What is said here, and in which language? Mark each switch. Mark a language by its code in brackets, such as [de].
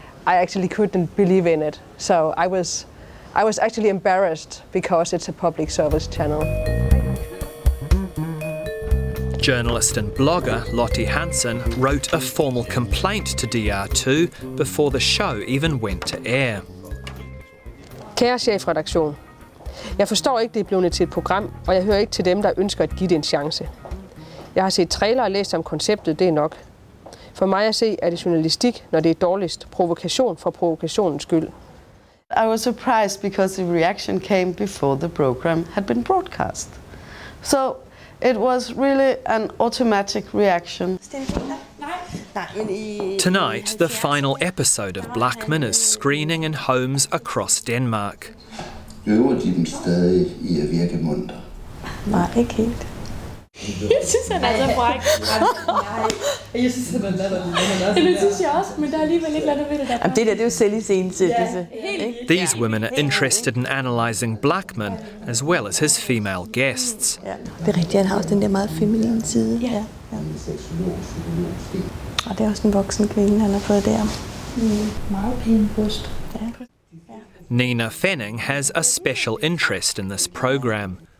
[en] I actually couldn't believe in it. So I was actually embarrassed because it's a public service channel. Journalist and blogger Lottie Hansen wrote a formal complaint to DR2 before the show even went to air. [da] Kære chefredaktion, jeg forstår ikke, det er blevet til et program, og jeg hører ikke til dem, der ønsker at give det en chance. Jeg har set trailer og læst om konceptet, det er nok. For mig at se, er det journalistik, når det er dårligst, provokation for provokationens skyld. [en] I was surprised because the reaction came before the program had been broadcast. So it was really an automatic reaction. Tonight, the final episode of Blackman is screening in homes across Denmark. [da] Øver de dem stadig i at virke munter? Nej, ikke helt. Jeg synes, han er så fræk. Nej, jeg synes, han er latterlig. Det synes jeg også, men der er alligevel ikke latter ved det. Jamen, det der, det er jo selv i scenen til. Ja, helt. [en] These women are interested in analyzing Blackman, as well as his female guests. [da] Ja. Det er rigtigt, han har også den der meget feminine side. Ja. Ja. Og det er også en voksen kvinde, han har fået der. Mm. Meget pæn bryst. [en] Nina Fenning has a special interest in this program.